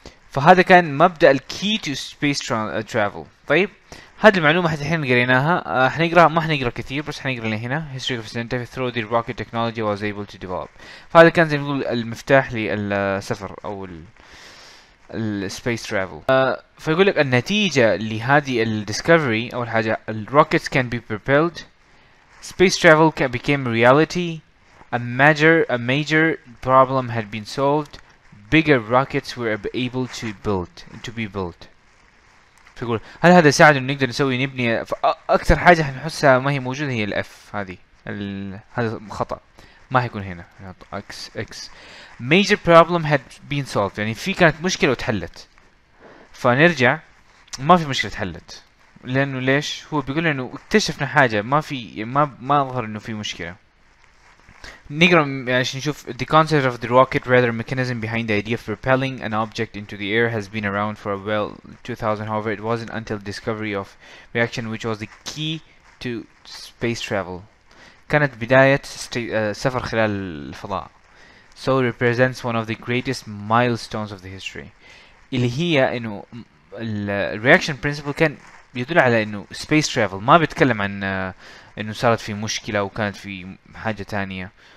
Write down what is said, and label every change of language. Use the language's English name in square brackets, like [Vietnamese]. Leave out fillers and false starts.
[Arabic] فهذا كان مبدأ [English] الكي to space travel. [Arabic] طيب هذه المعلومة حتحين قريناها، حنقرأ، ما حنقرأ كثير بس حنقرأ لهنا. [English] history of center through the rocket technology was able to develop. [Arabic] فهذا كان زي ما نقول المفتاح للسفر او ال [English] space travel. [Arabic] فيقول لك النتيجة لهذه ال discovery، اول حاجة ال [English] rockets can be propelled. Space travel became a reality. A major problem had been solved. Bigger rockets were able to be built. [Arabic] فيقول هل هذا ساعد إن نقدر نسوي نبني؟ أكثر حاجة حنحسها ما هي موجودة هي الF، هذا خطأ، ما هيكون هنا. نحط X. [English] Major problem had been solved. [Arabic] يعني في كانت مشكلة وتحلت. فنرجع، ما في مشكلة تحلت. لانه ليش؟ هو بيقول انه اكتشفنا حاجه، ما ظهر انه في مشكله. نقرا عشان نشوف. [English] The concept of the rocket rather mechanism behind the idea of propelling an object into the air has been around for a well 2000. However, it wasn't until discovery of reaction which was the key to space travel. [Arabic] كانت بدايه سفر خلال الفضاء. [English] So it represents one of the greatest milestones of the history. [Arabic] اللي هي انه الرياكشن برنسبل كان يدل على انه [English] space travel، [Arabic] ما بيتكلم عن انه صارت في مشكلة وكانت في حاجة تانية.